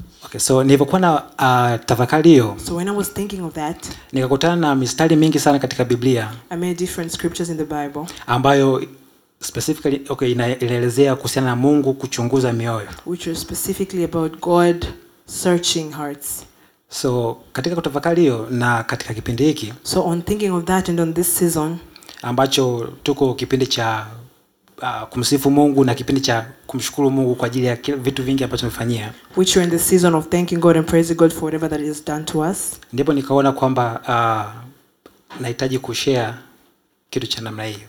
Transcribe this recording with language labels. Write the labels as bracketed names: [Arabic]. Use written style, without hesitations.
[Swahili] Okay, so nilipokuwa na tafakari hiyo. [English] So when I was thinking of that, [Swahili] nikakutana na mistari mingi sana katika Biblia. [English] I made different scriptures in the Bible. [Swahili] Ambayo specifically inaelezea kuhusiana na Mungu kuchunguza mioyo. [English] Which is specifically about God searching hearts. [Swahili] So katika kutafakari hiyo na katika kipindi hiki, [English] so on thinking of that and on this season [Swahili] ambacho tuko kipindi cha kumsifu Mungu na kipindi cha kumshukuru Mungu kwa ajili ya vitu vingi ambavyo amefanyia, [English] which we're in the season of thanking God and praising God for whatever that he has done to us, [Swahili] ndipo nikaona kwamba nahitaji kushare kitu cha namna hiyo.